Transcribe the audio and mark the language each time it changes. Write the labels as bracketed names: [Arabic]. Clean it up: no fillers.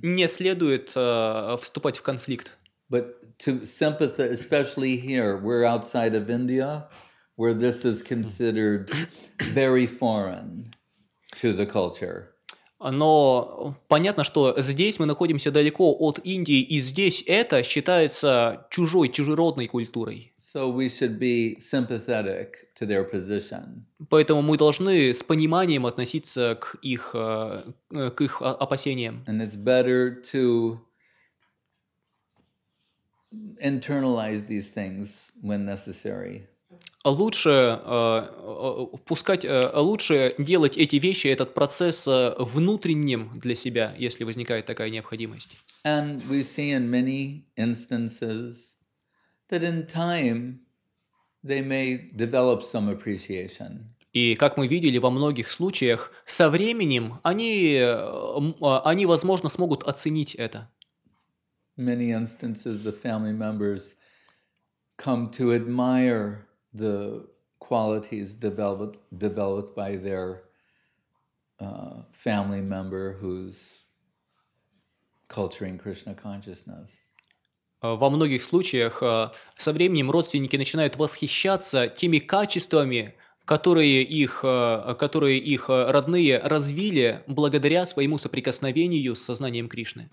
[Russian] Не следует вступать в конфликт. [English] But to sympathize, especially here, we're outside of India, where this is considered very foreign to the culture. [Russian] Но понятно, что здесь мы находимся далеко от Индии, и здесь это считается чужой, чужеродной культурой. [English] So we should be sympathetic to their position. [Russian] Поэтому мы должны с пониманием относиться к их опасениям. [English] And it's better to internalize these things when necessary. [Russian] Лучше делать эти вещи, этот процесс внутренним для себя, если возникает такая необходимость. [English] And we see in many instances that in time they may develop some appreciation. [Russian] И как мы видели во многих случаях, со временем они возможно смогут оценить это. [English] Many instances the family members come to admire the qualities developed by their family member who's culturing Krishna consciousness. [Russian] Во многих случаях со временем родственники начинают восхищаться теми качествами, которые их родные развили благодаря своему соприкосновению с сознанием Кришны.